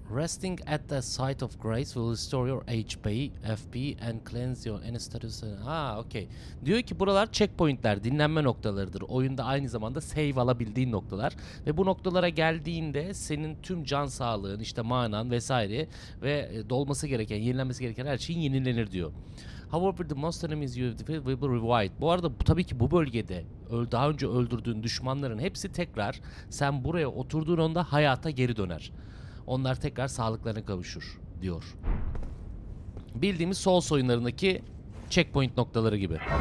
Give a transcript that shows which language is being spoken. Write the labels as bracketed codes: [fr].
[en] Resting at the Sight of Grace will restore your HP, FP and cleanse your any status. Okay. [tr] Diyor ki buralar checkpointler, dinlenme noktalarıdır. Oyunda aynı zamanda save alabildiğin noktalar. Ve bu noktalara geldiğinde senin tüm can sağlığın, işte manan vesaire ve dolması gereken, yenilenmesi gereken her şeyin yenilenir diyor. [en] However, the most enemies you have defeated will be revived. [tr] Bu arada tabii ki bu bölgede daha önce öldürdüğün düşmanların hepsi tekrar sen buraya oturduğun anda hayata geri döner. Onlar tekrar sağlıklarına kavuşur diyor. Bildiğimiz Souls oyunlarındaki checkpoint noktaları gibi.